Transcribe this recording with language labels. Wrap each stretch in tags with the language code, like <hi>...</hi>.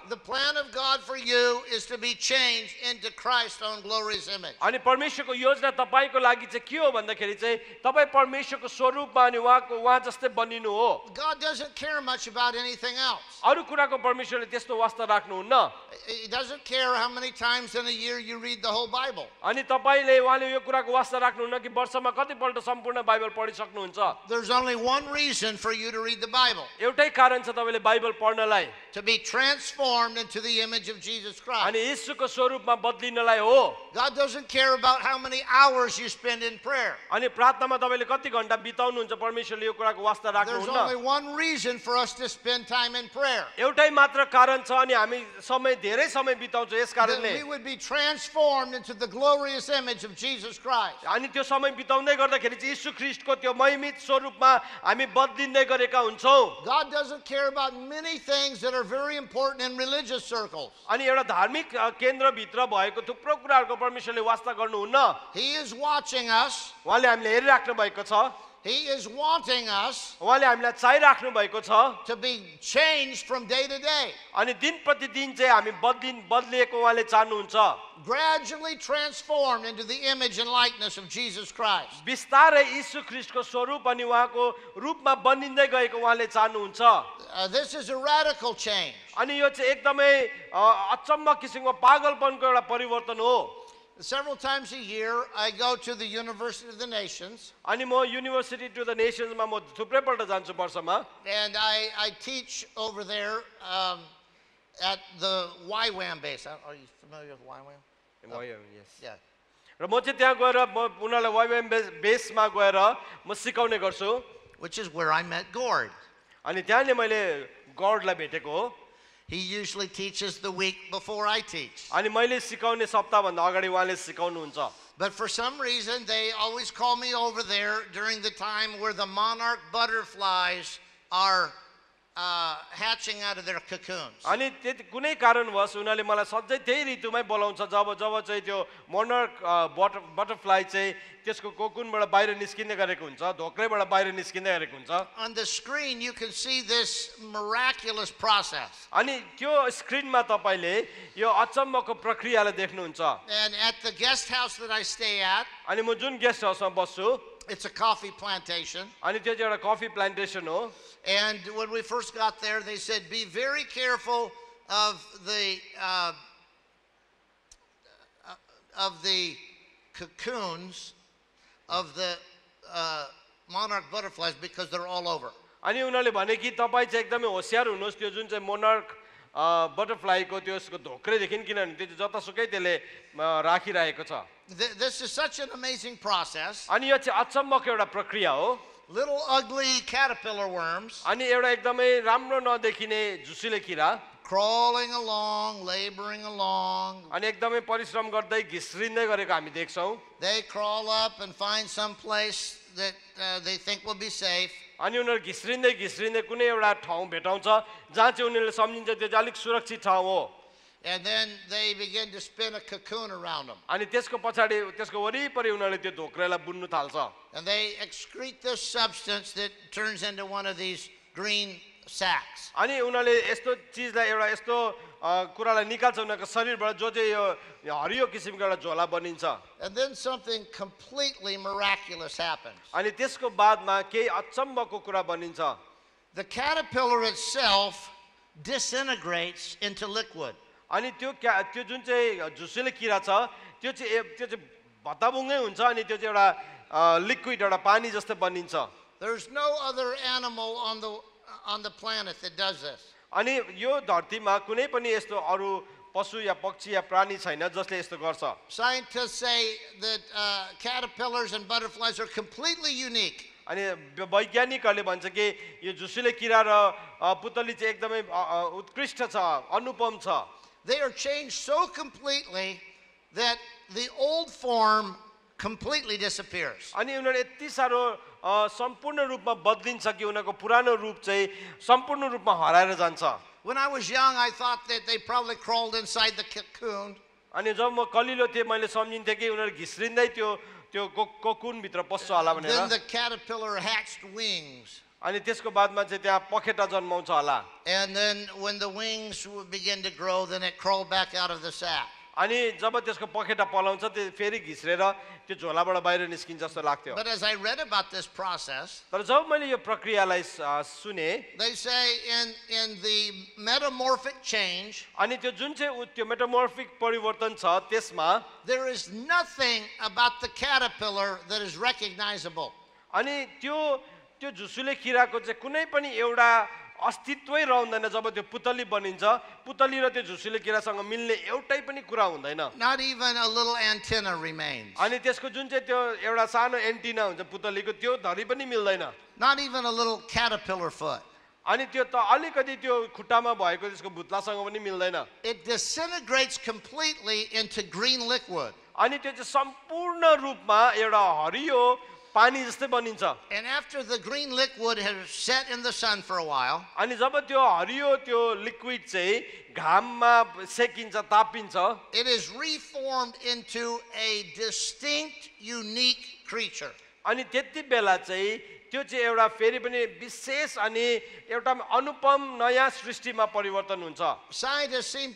<en>The plan of God for you is to be changed into Christ's own glorious image.</en> <ne>अनि परमेश्वरको योजना तपाईको लागि चाहिँ के हो भन्दाखेरि चाहिँ तपाई परमेश्वरको स्वरूपमा अनि उहाँको उहाँ जस्तै बनिनु हो.</ne> <en>God doesn't care much about anything else.</en> <ne>अरू कुराको परमेश्वरले त्यस्तो वास्ता राख्नु हुन्न.</ne> <en>He doesn't care how many times in a year you read the whole Bible.</en> <ne>अनि तपाईले उहाँले यो कुराको वास्ता राख्नु हुन्न कि वर्षमा कति पल्ट सम्पूर्ण बाइबल पढि सक्नुहुन्छ.</ne> <en>There's only one reason for you to read the Bible.</en> <ne>एउटै कारण छ तपाईले Bible पढ्नलाई.</ne> <en>To be transformed into the image of Jesus Christ.</en> <ne>अनि यीशुको स्वरूपमा बदलिनलाई हो.</ne> <en>God doesn't care about how many hours you spend in prayer.</en> <ne>अनि प्रार्थनामा तपाईले कति घण्टा बिताउनु हुन्छ परमेश्वरले यो कुराको वास्ता राख्नु हुन्छ.</ne> <en>There's only one reason for us to spend time in prayer.</en> <ne>एउटै मात्र कारण छ अनि हामी समय धेरै समय बिताउँछौ यसकारणले.</ne> <en>We would be transformed into the glorious image of Jesus Christ.</en> <ne>अनि त्यो समय बिताउँदै गर्दाखेरि चाहिँ येशू ख्रीष्टको त्यो महिमित स्वरूपमा हामी बदलिँदै गरेका हुन्छौ.</ne> <en>God doesn't care about many things that are very important in religious circles.</en> <ne>अनि एउटा धार्मिक केन्द्र भित्र भएको थुप्रो कुराहरुको परमेश्वरले वास्ता गर्नुहुन्न.</ne> <en>He is watching us.</en> <ne>उहाँले हामीलाई हेरिराख्नु भएको छ.</ne> <en>He is wanting us.</en> <ne>उहाँले हामीलाई चाहिराख्नु भएको छ.</ne> <en>To be changed from day to day.</en> <ne>अनि दिन प्रतिदिन चाहिँ हामी बदलिन बदलिएको उहाँले चाहनुहुन्छ.</ne> <en>Gradually transformed into the image and likeness of Jesus Christ.</en> <ne>बिस्तारै येशू ख्रीष्टको स्वरूप अनि उहाँको रूपमा बनिँदै गएको उहाँले चाहनुहुन्छ.</ne> <en>This is a radical change.</en> <ne>अनि यो चाहिँ एकदमै अचम्म किसिमको पागलपनको एउटा परिवर्तन हो.</ne> <en>Several times a year I go to the University of the Nations.</en> <ne>अनि म University of the Nations मा म थुप्रै पल्ट जान्छु वर्षमा.</ne> <en>And I teach over there at the YWAM base. Are you familiar with YWAM? YWAM, yes. Yeah.</en> <ne>र म चाहिँ त्यहाँ गएर म उनीहरूलाई YWAM base मा गएर म सिकाउने गर्छु.</ne> <en>Which is where I met Gord.</en> <ne>अनि त्यहाँ नै मैले Gord लाई भेटेको हो.</ne> <en>He usually teaches the week before I teach.</en> <ne>अनि मैले सिकाउने सप्ताह भन्दा अगाडि उहाँले सिकाउनुहुन्छ.</ne> <en>But for some reason they always call me over there during the time where the monarch butterflies are hatching out of their cocoons.</en> <ne>अनि त्यति कुनै कारणवश उनीले मलाई सधैं त्यही ऋतुमै बोलाउँछ जब चाहिँ त्यो monarch butterfly चाहिँ त्यसको कोकुनबाट बाहिर निस्किने गरेको हुन्छ ढोक्रेबाट बाहिर निस्किने गरेको हुन्छ.</ne> <en>On the screen you can see this miraculous process.</en> <ne>अनि त्यो स्क्रिनमा तपाईले यो अचम्मको प्रक्रियालाई देख्नुहुन्छ.</ne> <en>And at the guest house that I stay at.</en> <ne>अनि म जुन गेस्ट हाउसमा बस्छु.</ne> <en>It's a coffee plantation.</en> <ne>अनि त्यो चाहिँ एउटा कफी प्लान्टेसन हो.</ne> <en>And when we first got there they said be very careful of the cocoons of the monarch butterflies because they're all over.</en> <ne>अनि उनीले भने कि तपाई चाहिँ एकदमै होशियार हुनुस् त्यो जुन चाहिँ monarch butterfly को त्यसको ढोक्रे देखिन किनभने त्यो जतासुकै त्यसले राखिरहेको छ.</ne> <en>This is such an amazing process.</en> <ne>अनि यो चाहिँ अचम्मको एउटा प्रक्रिया हो.</ne> <en>Little ugly caterpillar worms.</en> <ne>अनि एउटा एकदमै राम्रो नदेखिने झुसुले किरा.</ne> <en>Crawling along, laboring along.</en> <ne>अनि एकदमै परिश्रम गर्दै घिस्रिँदै गरेको हामी देख्छौं.</ne> <en>They crawl up and find some place that they think will be safe.</en> <ne>अनि उनीहरू घिस्रिँदै कुनै एउटा ठाउँ भेटाउँछ जहाँ चाहिँ उनीहरूले सम्झिन्छ त्यो अलिक सुरक्षित ठाउँ हो.</ne> <en>And then they begin to spin a cocoon around them.</en> <ne>अनि त्यसको पछाडी त्यसको वरिपरि उनीहरूले त्यो ढोक्रेलाई बुन्न थाल्छ.</ne> <en>And they excrete this substance that turns into one of these green sacks.</en> <ne>अनि उनीहरूले यस्तो चीजलाई एउटा यस्तो कुरालाई निकाल्छ उनीहरूको शरीरबाट जो चाहिँ यो हरियो किसिमको एउटा झोला बनिन्छ.</ne> <en>And then something completely miraculous happens.</en> <ne>अनि त्यसको बादमा केही अचम्मको कुरा बनिन्छ.</ne> <en>The caterpillar itself disintegrates into liquid.</en> <ne>अनि त्यो जुन चाहिँ झुसुले किरा छ त्यो चाहिँ भत्ताबुङै हुन्छ अनि त्यो चाहिँ एउटा लिक्विड एउटा पानी जस्तै बनिन्छ.</ne> <en>There's no other animal on the planet that does this.</en> <ne>अनि यो धरतीमा कुनै पनि यस्तो अरु पशु या पक्षी या प्राणी छैन जसले यस्तो गर्छ.</ne> <en>Scientists say that caterpillars and butterflies are completely unique.</en> <ne>अनि वैज्ञानिकहरूले भन्छ कि यो झुसुले किरा र पुतली चाहिँ एकदमै उत्कृष्ट छ अनुपम छ.</ne> <en>They are changed so completely that the old form completely disappears.</en> <ne>अनि उनीहरू यति साह्रो सम्पूर्ण रूपमा बदलिन्छ कि उनीहरूको पुरानो रूप चाहिँ सम्पूर्ण रूपमा हराएर जान्छ.</ne> <en>When I was young I thought that they probably crawled inside the cocoon.</en> <ne>अनि जब म कलिलो थिएँ मैले सम्झिन्थे कि उनीहरू घिस्रिँदै त्यो कोकुन भित्र पस्छ होला भनेर.</ne> <en>Then the caterpillar hatched wings.</en> <ne>अनि त्यसको बादमा चाहिँ त्यहाँ पखेटा जन्माउँछ होला.</ne> <en>And then when the wings begin to grow then it crawl back out of the sack.</en> <ne>अनि जब त्यसको पखेटा पलाउँछ त्यो फेरि घिस्रेर त्यो झोलाबाट बाहिर निस्किन्छ जस्तो लाग्थ्यो.</ne> <en>But as I read about this process.</en> <ne>तर जब मैले यो प्रक्रियालाई सुने.</ne> <en>They say in the metamorphic change.</en> <ne>अनि त्यो जुन चाहिँ त्यो metamorphic परिवर्तन छ त्यसमा.</ne> <en>There is nothing about the caterpillar that is recognizable.</en> <ne>अनि त्यो झुसुले किराको चाहिँ कुनै पनि एउटा अस्तित्वै रहँदैन जब त्यो पुतली बनिन्छ पुतली र त्यो झुसुले किरासँग मिल्ने एउटै पनि कुरा हुँदैन</ne> <en>not even a little antenna remains</en> <ne>अनि त्यसको जुन चाहिँ त्यो एउटा सानो एन्टिना हुन्छ पुतलीको त्यो धरि पनि मिल्दैन</ne> <en>not even a little caterpillar foot</en> <ne>अनि त्यो त अलिकति त्यो खुट्टामा भएको त्यसको भुत्लासँग पनि मिल्दैन</ne> <en>it disintegrates completely into green liquid</en> <ne>अनि त्यो चाहिँ सम्पूर्ण रूपमा एउटा हरियो पानी जस्तै बनिन्छ</ne> <en>and after the green liquid has set in the sun for a while</en> <ne>अनि जब त्यो हरियो त्यो लिक्विड चाहिँ घाममा सेकिन्छ तापिन्छ</ne> <en>it is reformed into a distinct unique creature</en> <ne>अनि त्यतिबेला चाहिँ त्यो चाहिँ एउटा फेरि पनि विशेष अनि एउटा अनुपम नयाँ सृष्टिमा परिवर्तन हुन्छ</ne>